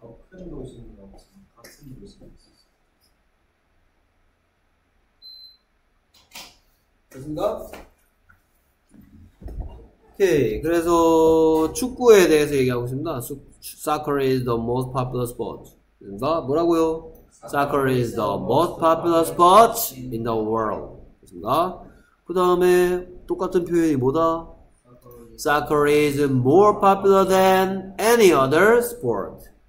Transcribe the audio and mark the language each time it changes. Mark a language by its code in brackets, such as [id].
[ko] 큰 도시인 것 같은 도시가 있었어요. 오케이. 그래서 축구에 대해서 얘기하고 있습니다. [en] Soccer is the most popular sport. [ko] 됐습니까? 뭐라고요? [en] Soccer is the most popular sport in the world. [ko] 됐습니까? 그 다음에 똑같은 표현이 뭐다? [en] Soccer is more popular than any other sport.